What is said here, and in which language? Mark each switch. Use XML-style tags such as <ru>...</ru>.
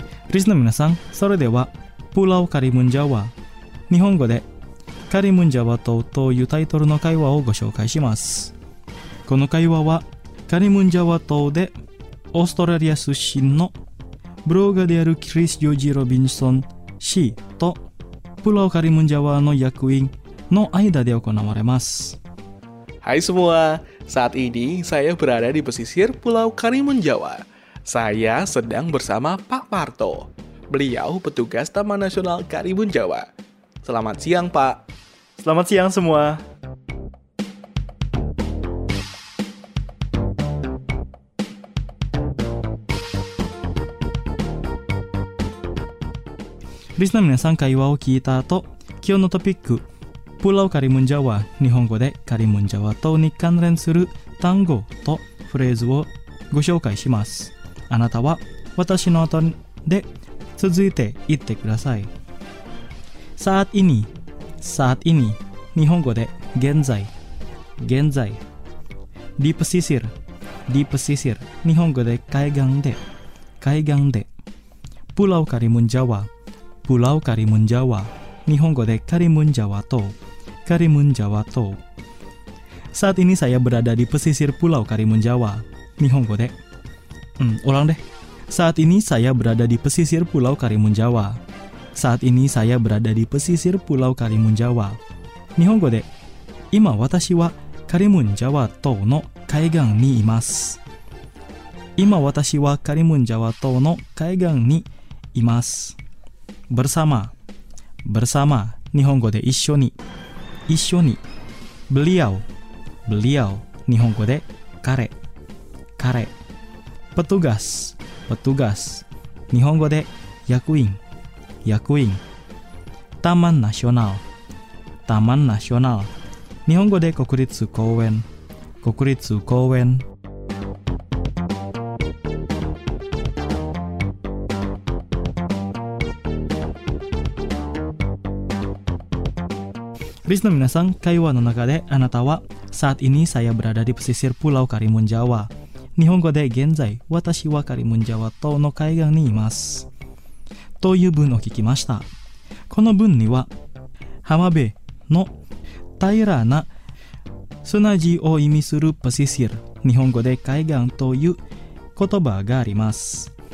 <ja>リスナーの皆さん、それではプラオカリムンジャワ、日本語でカリムンジャワとというタイトルの会話をご紹介します。この会話はカリムンジャワ島でオーストラリア出身のブロガーであるクリス・ジョージ・ロビンソン氏とプラオカリムンジャワの役員の間で行われます。</ja> <id>Hai semua, saat ini saya berada di pesisir Pulau Karimun Jawa. Saya sedang bersama Pak Parto. Beliau petugas Taman Nasional Karimun Jawa. Selamat siang, Pak. Selamat siang semua.</id> <ja>リスナー皆さん、会話を聞いた後、今日のトピック、プラオカリムンジャワ、日本語でカリムンジャワとに関連する単語とフレーズをご紹介します。あなたは私の後で続いて言ってください。サーティニ、サーティニ、日本語で現在、現在。ディープシシル、ディープシシル、日本語で海岸で、海岸で。プラオカリムンジャワ、プラオカリムンジャワ、日本語でカリムンジャワ島、カリムンジャワ島。</ja> <id>Saat ini saya berada di pesisir Pulau Karimun Jawa.</id> <ja>日本語で、</ja> <id>ulang deh. Saat ini saya berada di pesisir Pulau Karimun Jawa. Saat ini saya berada di pesisir Pulau Karimun Jawa.</id> <ja>日本語で、今私はカリムンジャワ島の海岸にいます。今私はカリムンジャワ島の海岸にいます。 Bersama, bersama, 日本語で一緒に、一緒に。 Beliau, beliau, 日本語で彼、彼。 Petugas, petugas, 日本語で役員、役員。 Taman Nasional, Taman Nasional, 日本語で国立公園、国立公園。リスナー皆さん、会話の中であなたは、</ja> <id>Saat ini saya berada di pesisir Pulau Karimun Jawa。</id> <ja>日本語で現在、私はカリムンジャワ島の海岸にいます。という文を聞きました。この文には、浜辺の平らな砂地を意味するパシシル、日本語で海岸という言葉があります。</ja>